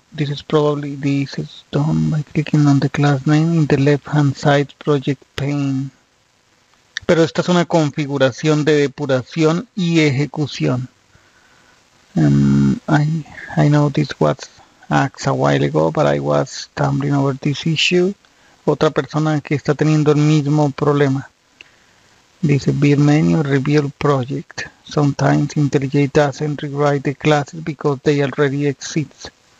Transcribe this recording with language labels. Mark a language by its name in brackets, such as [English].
[English] This is probably this is done by clicking on the class name in the left hand side project pane. [Spanish] Pero esta es una configuración de depuración y ejecución. [English] I know this was asked a while ago, but I was stumbling over this issue. [Spanish] Otra persona que está teniendo el mismo problema. Dice [English] build menu, rebuild project. Sometimes IntelliJ doesn't rewrite the classes because they already exist.